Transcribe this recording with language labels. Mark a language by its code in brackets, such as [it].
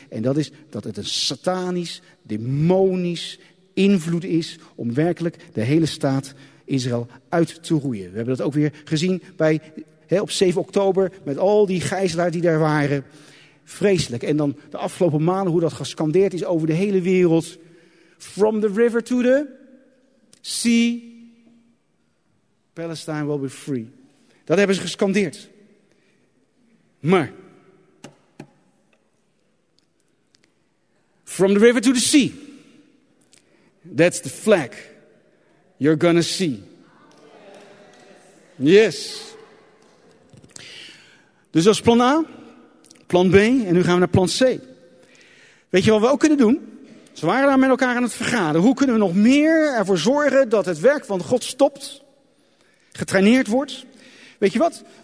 [nl] En dat is dat het een satanisch, demonisch invloed is om werkelijk de hele staat Israël uit te roeien. We hebben dat ook weer gezien bij op 7 oktober, met al die gijzelaars die daar waren. Vreselijk. En dan de afgelopen maanden, hoe dat gescandeerd is over de hele wereld. [en] From the river to the sea, Palestine will be free. [nl] Dat hebben ze gescandeerd. [en] Maar, from the river to the sea, that's the flag you're gonna see. Yes. [nl] Dus dat is plan A, plan B en nu gaan we naar plan C. Weet je wat we ook kunnen doen? Ze waren daar met elkaar aan het vergaderen. Hoe kunnen we nog meer ervoor zorgen dat het werk van God stopt, getraineerd wordt? Weet je wat?